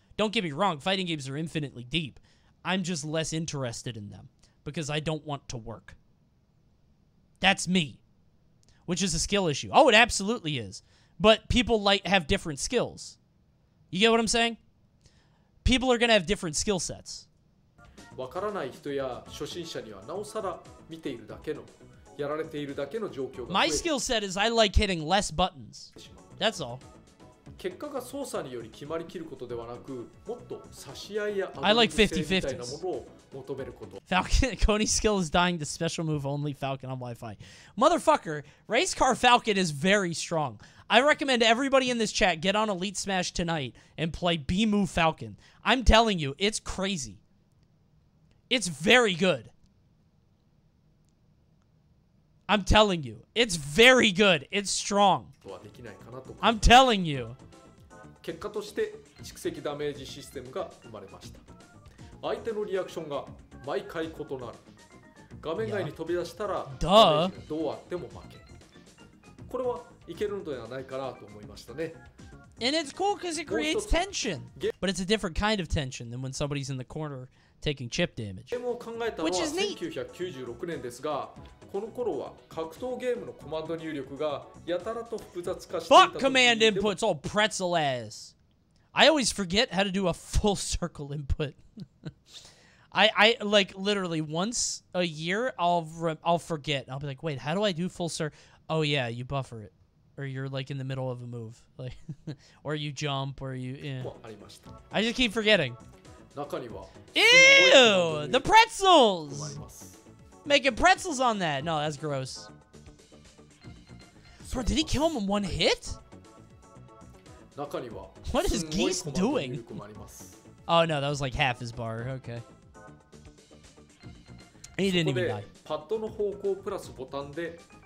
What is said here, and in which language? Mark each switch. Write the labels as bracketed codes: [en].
[en] Don't get me wrong, fighting games are infinitely deep. I'm just less interested in them because I don't want to work. That's me, which is a skill issue. Oh, it absolutely is. But people like have different skills. You get what I'm saying? People are going to have different skill sets. [ja] わからない人や初心者にはなおさら見ているだけの、やられているだけの状況が。 [en] My skill set is I like hitting less buttons. That's all. [ja] 結果が操作により決まりきることではなく、もっと差し合いやアドリブ性みたいなものを求めること。 [en] Falcon, Coney's skill is dying to special move only Falcon on Wi-Fi. Motherfucker, race car Falcon is very strong. I recommend everybody in this chat get on Elite Smash tonight and play B-Move Falcon. I'm telling you, it's crazy. It's very good. I'm telling you. It's very good. It's strong. I'm telling you. [ja] 結果として蓄積ダメージシステムが生まれました。相手のリアクションが毎回異なる。画面外に飛び出したらダメージがどうあっても負け。これはいけるのではないかなと思いましたね。 [en] And it's cool because it creates tension. But it's a different kind of tension than when somebody's in the corner taking chip damage. [ja] ゲームを考えたのは1996年ですが、この頃は格闘ゲームのコマンド入力がやたらと複雑化していた。 [en] Fuck command inputs, all pretzel ass. I always forget how to do a full circle input. I like literally once a year I'll forget. I'll be like, wait, how do I do full circle? Oh yeah, you buffer it. Or you're like in the middle of a move. Like, or you jump, or you... Yeah. I just keep forgetting. [ja] 中には... [en] Ew! The pretzels! Making pretzels on that! No, that's gross. Bro, did he kill him in one hit? [ja] 中には... [en] What is Geese doing? Oh no, that was like half his bar. Okay. He didn't even die. [ja] パッドの方向プラスボタンで...